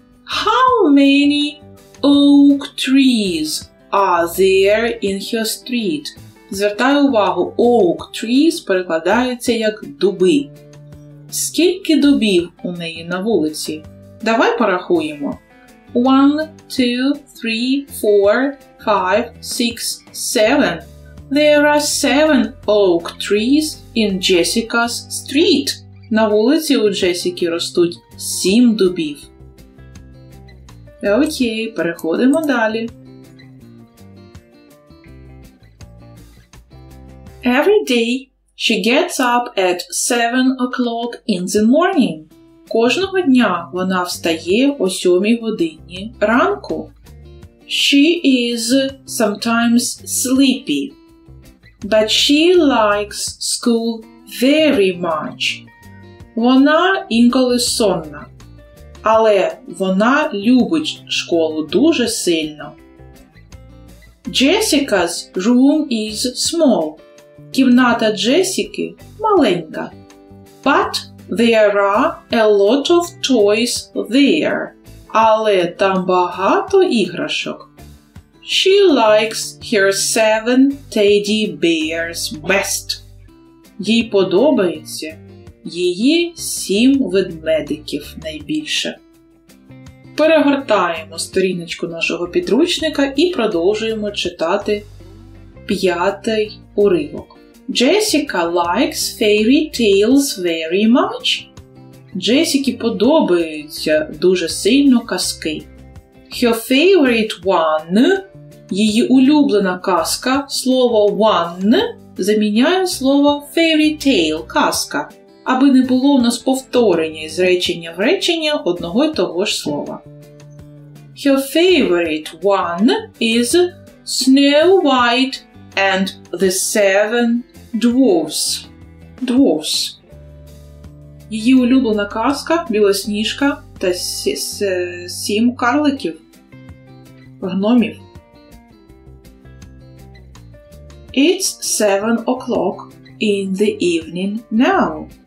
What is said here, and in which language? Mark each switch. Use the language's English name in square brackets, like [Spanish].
[English] How many oak trees are there in her street? [Ukrainian] Звертай увагу, [English] oak trees [Ukrainian] перекладається як дуби. Скільки дубів у неї на вулиці? Давай порахуємо. 1, 2, 3, 4, 5, 6, 7. [English] There are 7 oak trees in Jessica's street. [Ukrainian] На вулиці у Джесіки ростуть 7 дубів. Окей, переходимо далі. [English] Every day she gets up at 7 o'clock in the morning. [Ukrainian] Кожного дня вона встає о 7 годині ранку. [English] She is sometimes sleepy, but she likes school very much. [Ukrainian] Вона інколи сонна, але вона любить школу дуже сильно. [English] Jessica's room is small. [Ukrainian] Кімната Джесіки маленька. [English] But there are a lot of toys there. [Ukrainian] Але там багато іграшок. [English] She likes her 7 teddy bears best. [Ukrainian] Їй подобається її 7 ведмедиків найбільше. Перегортаємо сторіночку нашого підручника і продовжуємо читати 5-й уривок. [English] Jessica likes fairy tales very much. [Ukrainian] Джесіки подобаються дуже сильно казки. [English] Her favorite one, [Ukrainian] її улюблена казка, слово one заміняє слово fairy tale, казка, аби не було у нас повторення з речення в речення одного й того ж слова. [English] Her favorite one is Snow White and the Seven Dwarfs. Dwarfs. [Ukrainian] Її улюблена казка Білосніжка та сім карликів, гномів. [English] It's 7 o'clock in the evening now.